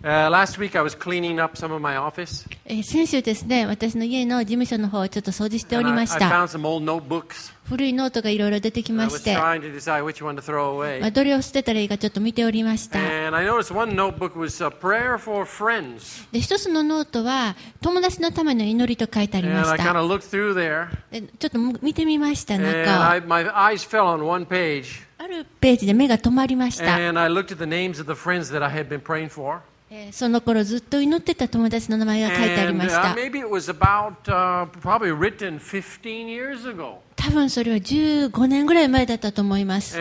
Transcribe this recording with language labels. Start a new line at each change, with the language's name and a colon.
English: Last week I was cleaning up some of my office.
Japanese: 先週ですね、私の家の事務所の方をちょっと掃除しておりました。
English: I found some old notebooks.
Japanese: 古いノートがいろいろ出てきまして、
English: I was trying to decide which one to throw away.
Japanese: どれを捨てたらいいかちょっと見ておりました。
English: And I noticed one notebook was a prayer for friends.
Japanese: で、一つのノートは友達のための祈りと書いてありました。
English: And I kind of looked through there.
Japanese: ちょっと見てみました、中を。
English: And my eyes fell on one page.
Japanese: あるページで目が止まりました。
English: And I looked at the names of the friends that I had been praying for.
Japanese: その頃ずっと祈ってた友達の名前が書いてありました。
English: maybe it was about, probably written 15 years ago.
Japanese: 多分それは15年ぐらい前だったと思います。